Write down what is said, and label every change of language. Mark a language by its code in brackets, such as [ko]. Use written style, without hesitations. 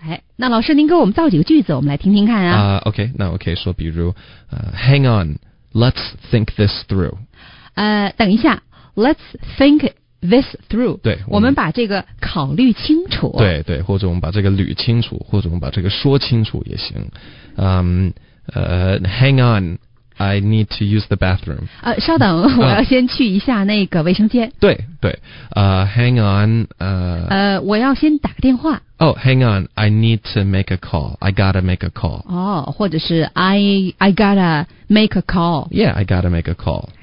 [zh] 哎，那老师您给我们造几个句子，我们来听听看啊。 [en] OK， [zh] 那我可以说，比如， [en] hang on，let's think this through。 [zh] 等一下 [en] ，let's think this through。 [zh] 对，我们把这个考虑清楚。对对，或者我们把这个捋清楚，或者我们把这个说清楚也行。 [en] hang on, I need to use the bathroom. [zh] 稍等，我要先去一下那个卫生间。 [en] 对对，hang on, [zh] 我要先打个电话。 [en] Oh, hang on, I need to make a call. I gotta make a call. 哦， [zh] 或者是 [en] I gotta make a call. Yeah, I gotta make a call.